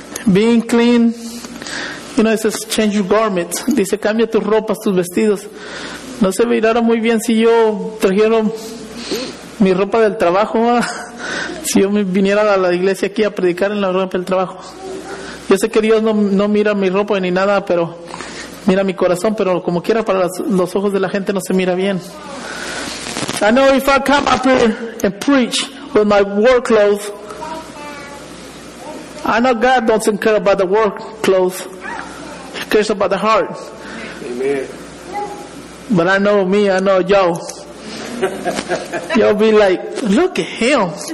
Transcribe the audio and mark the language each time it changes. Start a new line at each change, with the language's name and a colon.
English: Being clean, you know, it says change your garments.
Spanish: Dice, cambia tus ropas, tus vestidos. No se mirara muy bien si yo trajera mi ropa del trabajo, ¿no? Si yo viniera a la iglesia aquí a predicar en la ropa del trabajo. Yo sé que Dios no mira mi ropa ni nada, pero mira mi corazón, pero como quiera para los ojos de la gente no se mira bien.
English: I know if I come up here and preach with my work clothes, I know God doesn't care about the work clothes. He cares about the heart. Amen. But I know me, I know y'all. Y'all be like, look at him.